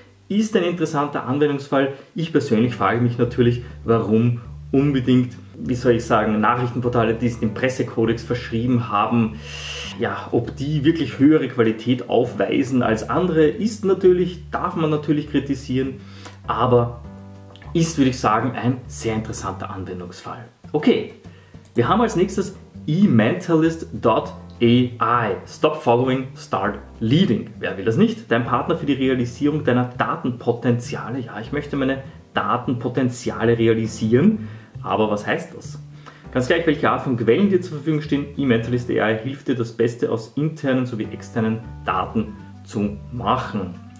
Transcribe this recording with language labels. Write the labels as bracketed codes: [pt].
[de] Ist ein interessanter Anwendungsfall. Ich persönlich frage mich natürlich, warum unbedingt, wie soll ich sagen, Nachrichtenportale, die es dem Pressekodex verschrieben haben, ja, ob die wirklich höhere Qualität aufweisen als andere, ist natürlich, darf man natürlich kritisieren, aber ist, würde ich sagen, ein sehr interessanter Anwendungsfall. Okay, wir haben als nächstes ementalist.ai. [en] Stop following, start leading. [de] Wer will das nicht? Dein Partner für die Realisierung deiner Datenpotenziale. Ja, ich möchte meine Datenpotenziale realisieren. Aber was heißt das? Ganz gleich, welche Art von Quellen dir zur Verfügung stehen, ementalist.ai hilft dir, das Beste aus internen sowie externen Daten zu machen.